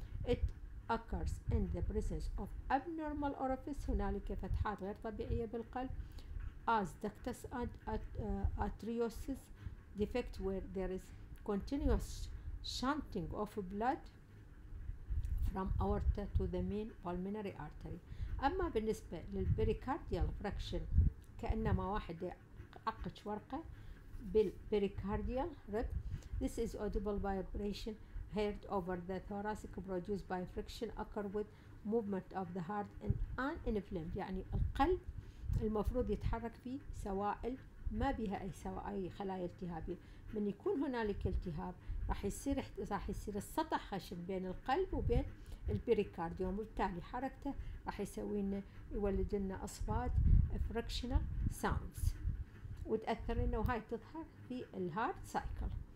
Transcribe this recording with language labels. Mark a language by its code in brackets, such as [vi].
[en] It occurs in the presence of abnormal orifice. [ar] هنالك فتحات غير طبيعية بالقلب. [en] As ductus and atriosus defect where there is continuous shunting of blood from aorta to the main pulmonary artery. [ar] أما بالنسبة للpericardial fraction كأنما واحد عقد ورقة بالبريكارديال ريب. [en] This is audible vibration heard over the thoracic produced by friction occur with movement of the heart in an inflamed. [ar] يعني القلب المفروض يتحرك فيه سوائل ما بها أي سوائل خلايا التهابية. من يكون هنالك التهاب راح يصير السطح خشن بين القلب وبين البريكارديوم، وبالتالي حركته راح يسوي لنا يولد لنا أصوات فريكشنال ساوندز وتأثر لنا وهاي تظهر في الهارت سايكل.